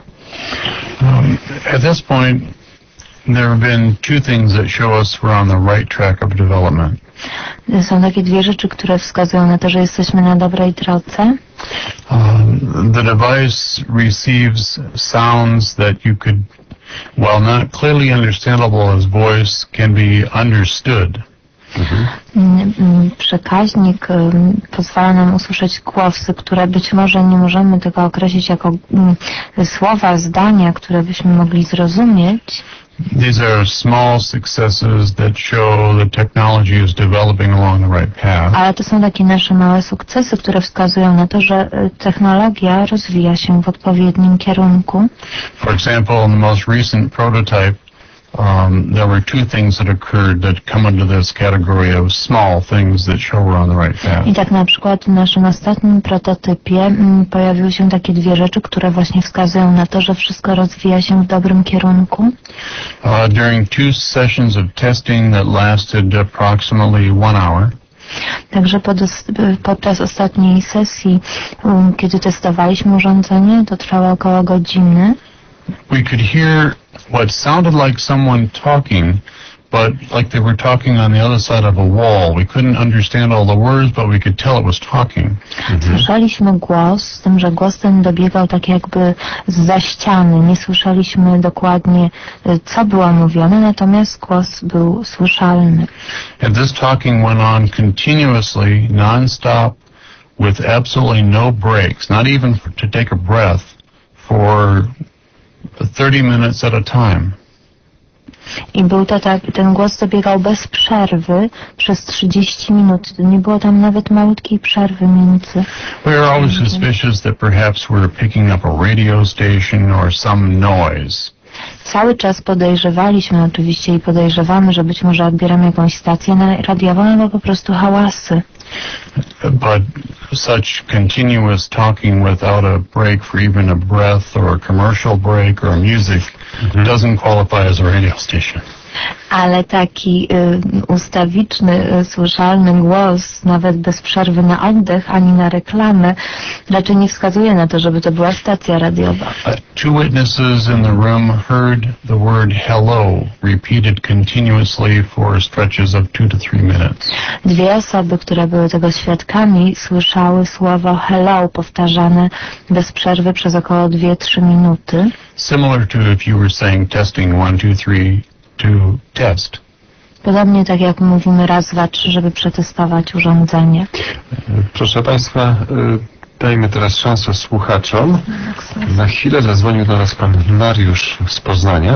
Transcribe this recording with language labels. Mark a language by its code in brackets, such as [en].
[en] At this point, there have been two things that show us we're on the right track of development. [pl] Są takie dwie rzeczy, które wskazują na to, że jesteśmy na dobrej drodze. [en] The device receives sounds that you could, while not clearly understandable as voice, can be understood. [pl] Przekaźnik pozwala nam usłyszeć głosy, które być może nie możemy tego określić jako słowa, zdania, które byśmy mogli zrozumieć. [en] These are small successes that show that technology is developing along the right path. [pl] Ale to są takie nasze małe sukcesy, które wskazują na to, że technologia rozwija się w odpowiednim kierunku. [en] For example, in the most recent prototype, there were two things that occurred that come under this category of small things that show we're on the right path. [pl] I tak na przykład w naszym ostatnim prototypie pojawiły się takie dwie rzeczy, które właśnie wskazują na to, że wszystko rozwija się w dobrym kierunku. [en] During two sessions of testing that lasted approximately one hour. [pl] Także podczas ostatniej sesji, kiedy testowaliśmy urządzenie, to trwało około godziny. [en] We could hear what sounded like someone talking, but like they were talking on the other side of a wall. We couldn't understand all the words, but we could tell it was talking. [pl] Słyszeliśmy głos, z tym, że głos ten dobiegał tak jakby zza ściany. Nie słyszeliśmy dokładnie, co było mówione, natomiast głos był słyszalny. [en] And this talking went on continuously, non-stop, with absolutely no breaks, not even to take a breath, for 30 minutes at a time. [pl] I był to tak, ten głos dobiegał bez przerwy przez 30 minut. Nie było tam nawet malutkiej przerwy między. [en] We are always suspicious that perhaps we're picking up a radio station or some noise. [pl] Cały czas podejrzewaliśmy oczywiście i podejrzewamy, że być może odbieramy jakąś stację radiową albo po prostu hałasy. [en] But such continuous talking without a break for even a breath or a commercial break or music doesn't qualify as a radio station. [pl] Ale taki ustawiczny, słyszalny głos, nawet bez przerwy na oddech ani na reklamę, raczej nie wskazuje na to, żeby to była stacja radiowa. [en] Two witnesses in the room heard the word hello repeated continuously for stretches of 2 to 3 minutes. [pl] Dwie osoby, które były tego świadkami, słyszały słowo hello powtarzane bez przerwy przez około 2-3 minuty. [en] Similar to if you were saying testing 1, 2, 3. To test. [pl] Podobnie tak jak mówimy raz, dwa, trzy, żeby przetestować urządzenie. Proszę Państwa, dajmy teraz szansę słuchaczom. Na chwilę zadzwonił do nas Pan Mariusz z Poznania.